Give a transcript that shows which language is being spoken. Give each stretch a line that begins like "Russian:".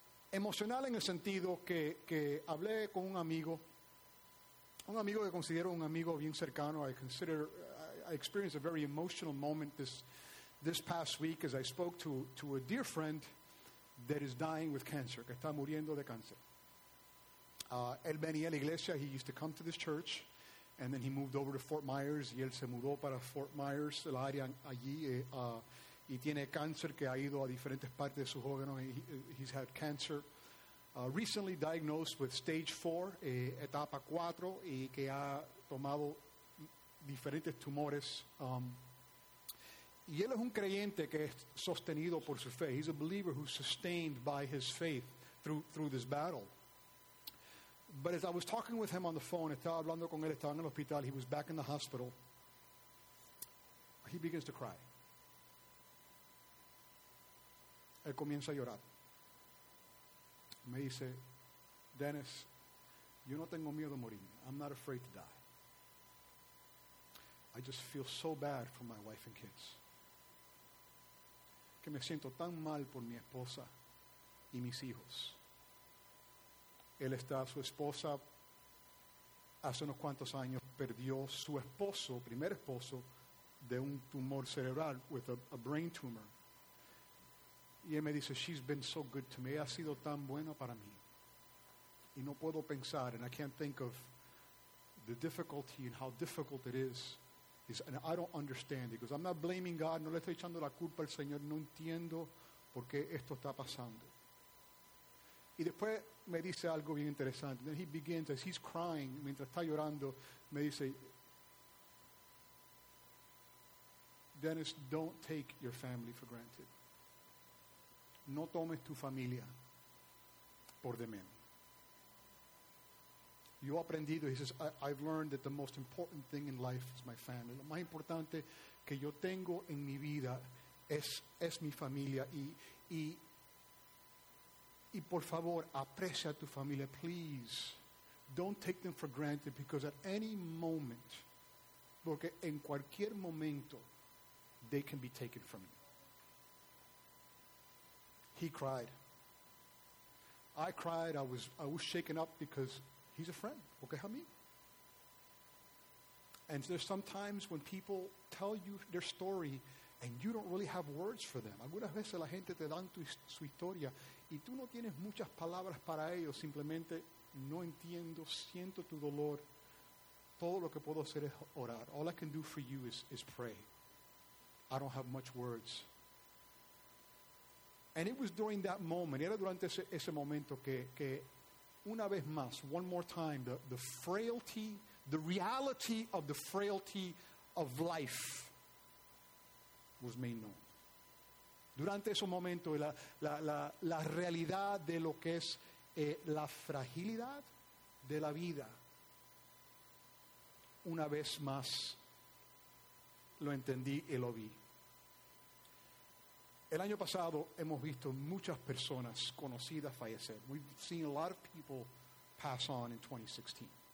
Spanish: Emocional en el sentido que hablé con un amigo que considero un amigo bien cercano.
English: I experienced a very emotional moment this past week as I spoke to a dear friend that is dying with cancer,
Spanish: que está muriendo de cáncer. Él venía a la iglesia.
English: He used to come to this church, and then he moved over to Fort Myers,
Spanish: y él se mudó para Fort Myers, el área allí, y tiene cáncer que ha ido a diferentes partes de sus órganos.
English: He's had cancer, recently diagnosed with stage 4,
Spanish: etapa 4, y que ha tomado diferentes tumores. Y él es un creyente que es sostenido por su fe.
English: He's a believer who's sustained by his faith through this battle. But as I was talking with him on the phone,
Spanish: estaba hablando con él, estaba en el hospital,
English: he was back in the hospital, he begins to cry.
Spanish: Él comienza a llorar. Me dice, Dennis, yo no tengo miedo a morir.
English: I'm not afraid to die. I just feel so bad for my wife and kids.
Spanish: Que me siento tan mal por mi esposa y mis hijos. Él está, su esposa, hace unos cuantos años, perdió su esposo, primer esposo, de un tumor cerebral,
English: with a brain tumor.
Spanish: Y él me dice,
English: she's been so good to me.
Spanish: Ha sido tan bueno para mí. Y no puedo pensar,
English: and I can't think of the difficulty and how difficult it is. And I don't understand. Because I'm not blaming God.
Spanish: No le estoy echando la culpa al Señor. No entiendo por qué esto está pasando. Y después me dice algo bien interesante.
English: Then he begins, as he's crying,
Spanish: mientras está llorando, me dice,
English: Dennis, don't take your family for granted.
Spanish: No tomes tu familia por de menos. Yo he aprendido,
English: he says, I've learned that the most important thing in life is my family.
Spanish: Lo más importante que yo tengo en mi vida es mi familia. Y por favor, aprecia tu familia.
English: Please, don't take them for granted, because at any moment,
Spanish: porque en cualquier momento,
English: they can be taken from you. He cried. I cried. I was shaken up because he's a friend. Okay, how me? And there's sometimes when people tell you their story and you don't really have words for them.
Spanish: Algunas veces la gente te dan su historia y tú no tienes muchas palabras para ellos. Simplemente no entiendo, siento tu dolor. Todo lo que puedo hacer es orar.
English: All I can do for you is pray. I don't have much words. And it was during that moment,
Spanish: era durante ese momento que una vez más,
English: one more time, the frailty, the reality of the frailty of life was made known.
Spanish: Durante ese momento, la realidad de lo que es la fragilidad de la vida, una vez más lo entendí y lo vi. El año pasado hemos visto muchas personas conocidas fallecer.
English: We've seen a lot of people pass on in 2016.